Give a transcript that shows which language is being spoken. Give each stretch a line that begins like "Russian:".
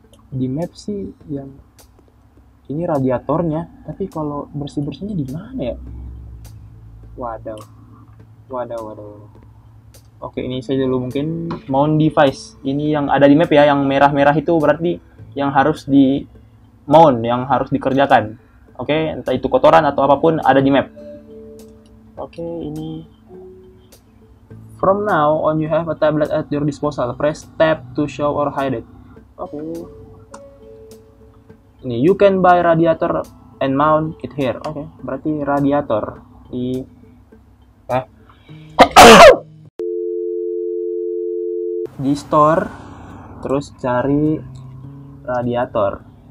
Indonesian: Di map sih yang ini radiatornya, tapi kalau bersih-bersihnya di mana ya? Waduh. Oke, ini saya dulu mungkin mount device. Ini yang ada di map ya, yang merah-merah itu berarti yang harus di mount, yang harus dikerjakan. Oke, entah itu kotoran atau apapun ada di map. Oke, ini
English: from now on you have a tablet at your disposal. Press tab to show or hide it. Oke.
Indonesian: Ini
English: you can buy radiator and mount it here.
Indonesian: Oke, berarti radiator di di store, terus cari radiator.